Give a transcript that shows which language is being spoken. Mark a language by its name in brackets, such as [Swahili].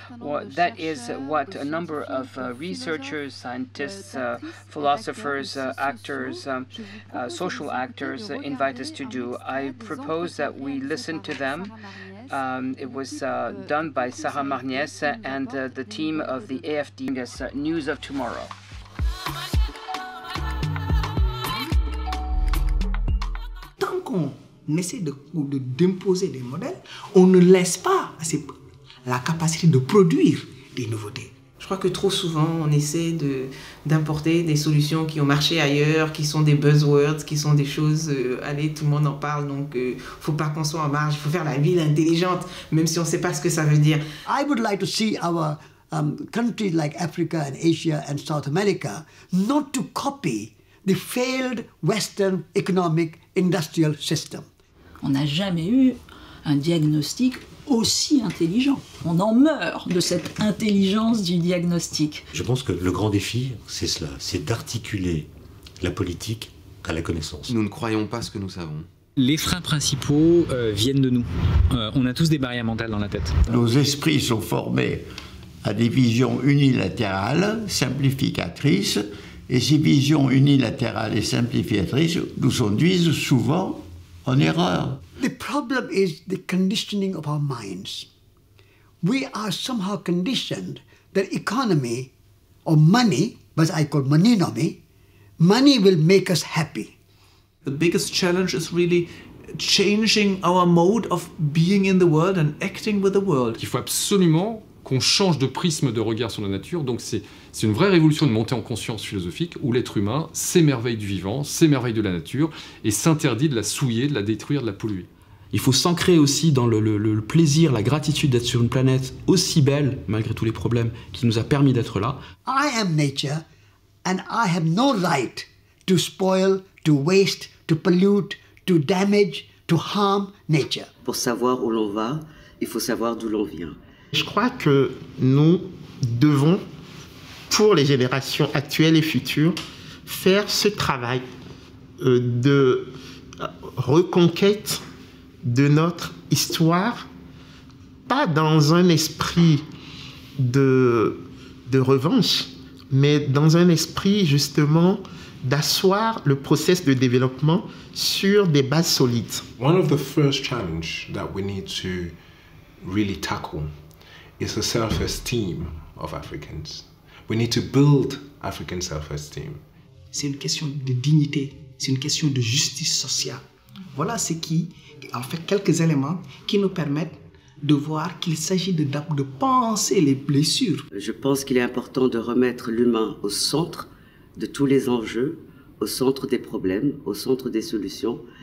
[English] Well, that is what a number of researchers, scientists, philosophers, actors, social actors invite us to do. I propose that we listen to them. It was done by Sarah Marnies and the team of the AFD News of Tomorrow. [French] Tant qu'on essaie d'imposer des modèles, on ne laisse pas la capacité de produire des nouveautés. crois que trop souvent, on essaie d'importer des solutions qui ont marché ailleurs, qui sont des buzzwords, qui sont des choses... allez, tout le monde en parle, donc il ne faut pas qu'on soit en marge. Il faut faire la ville intelligente, même si on ne sait pas ce que ça veut dire. [English] I would like to see our countries like Africa and Asia and South America not to copy the failed Western economic industrial system. [French] On n'a jamais eu un diagnostic aussi intelligent. On en meurt de cette intelligence du diagnostic. Je pense que le grand défi, c'est cela, c'est d'articuler la politique à la connaissance. Nous ne croyons pas ce que nous savons. Les freins principaux viennent de nous. On a tous des barrières mentales dans la tête. Nos esprits sont formés à des visions unilatérales, simplificatrices, et ces visions unilatérales et simplificatrices nous conduisent souvent en erreur. [English] The problem is the conditioning of our minds. We are somehow conditioned that economy or money, what I call moneynomy, money will make us happy. The biggest challenge is really changing our mode of being in the world and acting with the world. [French] Il faut absolument qu'on change de prisme de regard sur la nature. Donc c'est une vraie révolution de montée en conscience philosophique où l'être humain s'émerveille du vivant, s'émerveille de la nature et s'interdit de la souiller, de la détruire, de la polluer. Il faut s'ancrer aussi dans le plaisir, la gratitude d'être sur une planète aussi belle, malgré tous les problèmes, qui nous a permis d'être là. [English] I am nature and I have no right to spoil, to waste, to pollute, to damage, to harm nature. [French] Pour savoir où l'on va, il faut savoir d'où l'on vient. Je crois que nous devons, pour les générations actuelles et futures, faire ce travail de reconquête de notre histoire, pas dans un esprit de revanche, mais dans un esprit justement d'asseoir le process de développement sur des bases solides. [English] One of the first challenges that we need to really tackle is the self-esteem of Africans. We need to build African self-esteem. [French] C'est une question de dignité, c'est une question de justice sociale. Voilà ce qui en fait quelques éléments qui nous permettent de voir qu'il s'agit de penser les blessures. Je pense qu'il est important de remettre l'humain au centre de tous les enjeux, au centre des problèmes, au centre des solutions.